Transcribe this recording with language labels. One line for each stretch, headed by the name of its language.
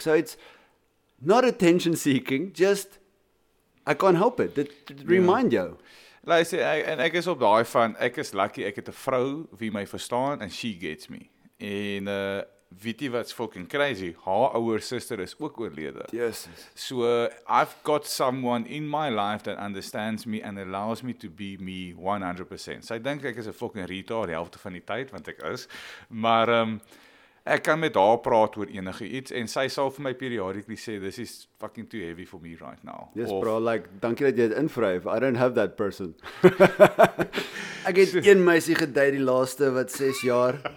English: So it's not attention seeking, just I can't help it.
Afrikaans: Dit remind jou. Luister, en ek is op daai van ek is lucky ek het 'n vrou wie my verstaan
English: and she gets me.
Afrikaans: En weet jy wat's fucking crazy? Haar ouer suster is ook oorlede. Jesus.
English: So I've got someone in my life that understands me and allows me to be me 100%.
Afrikaans: So I dink ek is 'n fucking retard die helfte van die tyd want ek is. Maar ek kan met haar praat oor enige iets en sy sal vir my periodically sê
English: this is fucking too heavy for me right now. Yes of, bro, like
Afrikaans: dankie dat jy dit invryf.
English: I don't have that person.
Afrikaans: Ek het een meisie gedate die laaste wat 6 jaar.